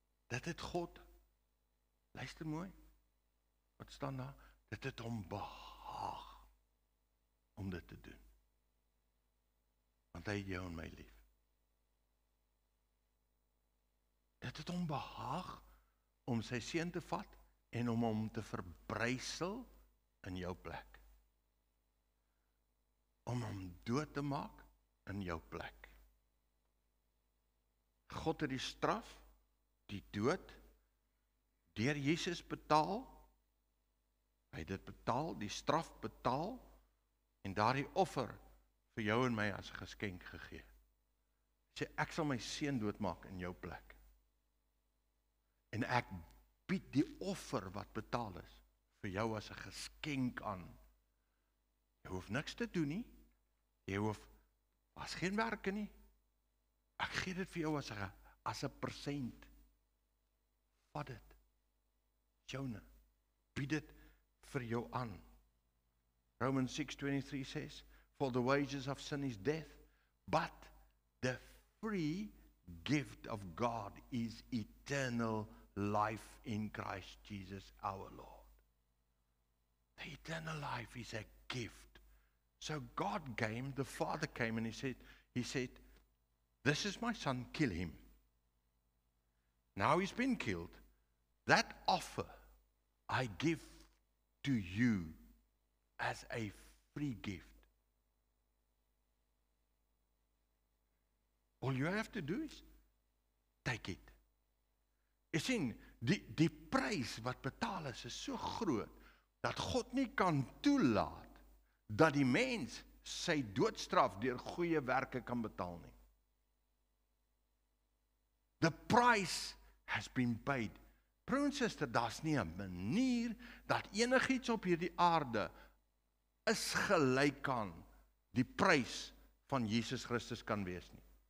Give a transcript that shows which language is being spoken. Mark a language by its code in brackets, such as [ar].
[af] Dit het God, luister mooi, wat staan daar, dit het hom behaag om dit te doen. Want hy het jou en my lief. Dit het hom behaag om sy seun te vat en om hom te verbrysel in jou plek. Om hom dood te maak in jou plek. God het die straf, die dood, deur Jesus betaal, hy het dit betaal, die straf betaal, en daardie offer vir jou en my as geskenk gegee. Sê, ek sal my seun doodmaak in jou plek. En ek bied die offer wat betaal is, vir jou as 'n geskenk aan. Jy hoef niks te doen nie, jy hoef, as geen werke nie, ek gee dit vir jou as 'n persent. Vat dit, Jonah, bied dit vir jou aan. [en] Romans 6:23 says, for the wages of sin is death, but the free gift of God is eternal life in Christ Jesus our Lord. The eternal life is a gift. So God came, the Father came and he said, this is my son, kill him. Now he's been killed. That offer I give to you as a free gift. All you have to do is take it. You see, [af] die prys wat betaal is so groot, dat God nie kan toelaat, dat die mens sy doodstraf deur goeie werke kan betaal nie. [en] The price has been paid. [af] Broer en sister, daar is nie een manier, dat enigiets op hierdie aarde, is gelyk aan die prys van Jesus Christus kan wees nie.